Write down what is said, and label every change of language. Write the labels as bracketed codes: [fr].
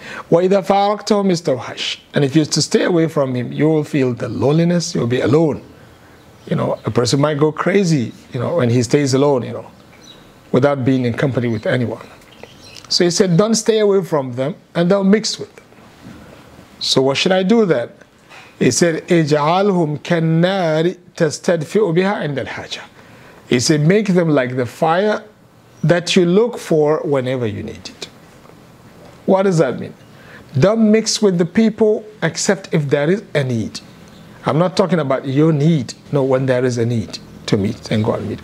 [ar] وَإِذَا فَارَقْتَهُمْ إِسْتَوْحَشْ. [en] And if you used to stay away from him, you will feel the loneliness, you'll be alone. You know, a person might go crazy, you know, when he stays alone, you know, without being in company with anyone. So he said, don't stay away from them, and don't mix with them. So what should I do then? He said, [ar] اجعلهم كالنار تستدفئ بها عند الحاجة. [en] He said, make them like the fire that you look for whenever you need it. What does that mean? Don't mix with the people except if there is a need. I'm not talking about your need. No, when there is a need to meet and go and meet.